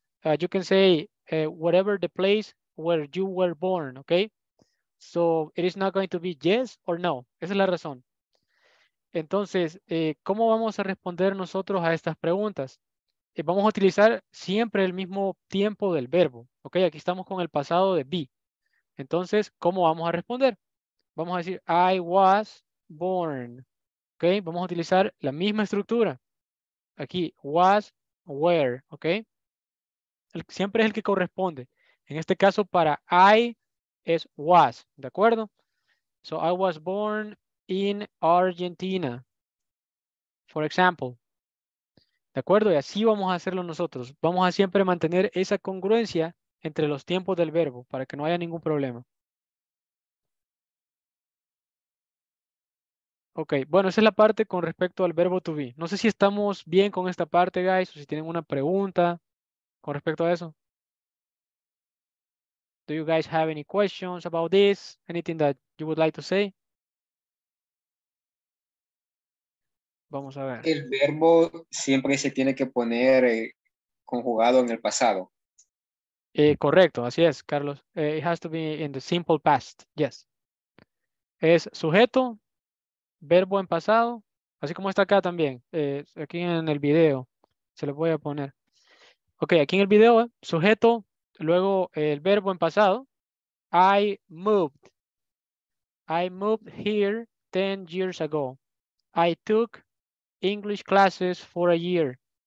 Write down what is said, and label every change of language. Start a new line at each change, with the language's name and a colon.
English: You can say whatever the place where you were born, okay? So it is not going to be yes or no.
Spanish: Esa es la razón. Entonces, ¿cómo vamos a responder nosotros a estas preguntas? Vamos a utilizar siempre el mismo tiempo del verbo, okay? Aquí estamos con el pasado de be. Entonces, ¿cómo vamos a responder? Vamos a decir,
English: I was born.
Spanish: Okay, vamos a utilizar la misma estructura. Aquí, was, where, ok. Siempre es el que corresponde. En este caso, para I es was, ¿de acuerdo?
English: So, I was born in Argentina, for example.
Spanish: ¿De acuerdo? Y así vamos a hacerlo nosotros. Vamos a siempre mantener esa congruencia entre los tiempos del verbo para que no haya ningún problema. Ok, bueno, esa es la parte con respecto al verbo to be. No sé si estamos bien con esta parte, guys, o si tienen una pregunta con respecto a eso.
English: Do you guys have any questions about this? Anything that you would like to say?
Spanish: Vamos a ver. El verbo siempre se tiene que poner conjugado en el pasado. Correcto, así es, Carlos.
English: It has to be in the simple past, yes.
Spanish: Es sujeto. Verbo en pasado, así como está acá también, aquí en el video, se lo voy a poner.
English: Ok,
Spanish: aquí en el video, sujeto, luego el verbo en pasado,
English: I moved here 10 years ago, I took English classes for a year.